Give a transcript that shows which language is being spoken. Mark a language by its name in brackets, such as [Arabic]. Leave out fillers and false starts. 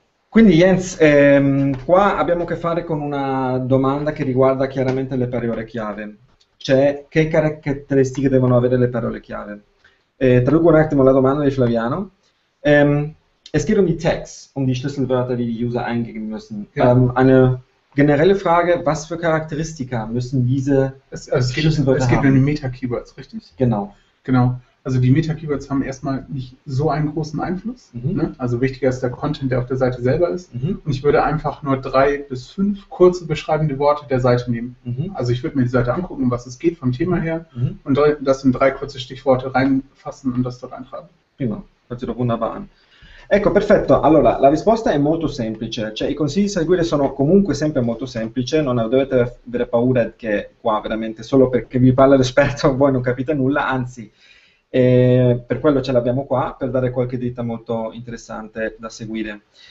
[Italian] Quindi Jens, qua abbiamo a che fare con una domanda che riguarda chiaramente le parole chiave. Cioè, che caratteristiche devono avere le parole chiave? Traduco un attimo la domanda di Flaviano. [German] Es geht um die Tags, um die Schlüsselwörter, die die User eingeben müssen. Ja. Eine generelle Frage, was für Charakteristika müssen diese Schlüsselwörter haben? Es geht um die Meta-Keywords, richtig? Genau. Genau. Also die Meta-Keywords haben erstmal nicht so einen großen Einfluss. Mhm. Ne? Also wichtiger ist der Content, der auf der Seite selber ist. Mhm. Und ich würde einfach nur 3 bis 5 kurze beschreibende Worte der Seite nehmen. Mhm. Also ich würde mir die Seite angucken, was es geht vom Thema her, mhm. und das in 3 kurze Stichworte reinfassen und das dort eintragen. Prima, hört sich doch wunderbar an. [Italian] Ecco, perfetto. Allora, la risposta è molto semplice. Cioè, i consigli da seguire sono comunque sempre molto semplici. Non dovete avere paura che qua, veramente, solo perché vi parla l'esperto, voi non capite nulla, anzi... E per quello ce l'abbiamo qua, per dare qualche dritta molto interessante da seguire.